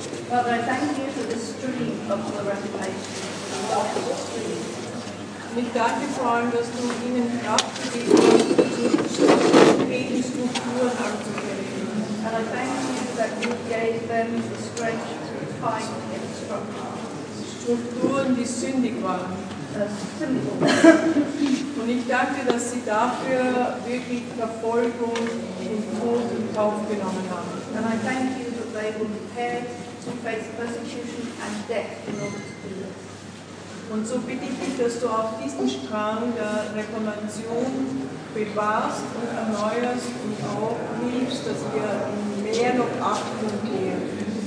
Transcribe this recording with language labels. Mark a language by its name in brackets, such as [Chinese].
[English] Father, I thank you for the stream of the Reformation. [German] Ich danke vor allem, dass du ihnen Kraft gegeben hast, zu gegen Strukturen anzukämpfen. [English] And I thank you that you gave them the strength to fight against structures. [German] Strukturen, die sündig waren. Und ich danke, dass sie dafür wirklich Verfolgung und Tod in Kauf genommen haben. [English] And I thank you that they were prepared to face persecution and death in order to do this. [German] Und so bitte ich dich, dass du auch diesen Strang der Reformation bewahrst und erneuerst und auch liebst, dass wir mehr noch achten gehen.